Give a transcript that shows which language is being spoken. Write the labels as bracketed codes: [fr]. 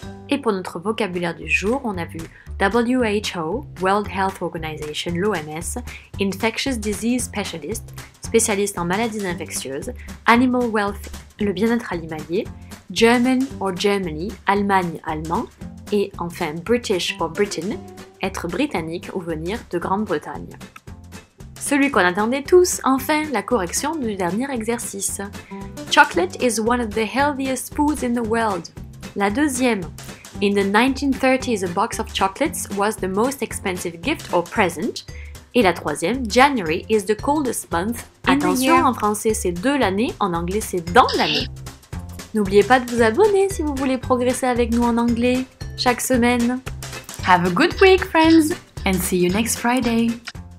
[fr] Et pour notre vocabulaire du jour, on a vu WHO, [en] World Health Organization, [fr] l'OMS, [en] infectious disease specialist, [fr] spécialiste en maladies infectieuses, [en] animal welfare, [fr] le bien-être animalier, [en] German or Germany, [fr] Allemagne, Allemand, et enfin [en] British for Britain, [fr] être britannique ou venir de Grande-Bretagne. Celui qu'on attendait tous, enfin, la correction du dernier exercice. [en] Chocolate is one of the healthiest foods in the world. [fr] La deuxième. [en] In the 1930s, a box of chocolates was the most expensive gift or present. [fr] Et la troisième, [en] January is the coldest month in the year. [fr] Attention, en français c'est de l'année, en anglais c'est dans l'année. N'oubliez pas de vous abonner si vous voulez progresser avec nous en anglais chaque semaine. [en] Have a good week, friends, and see you next Friday.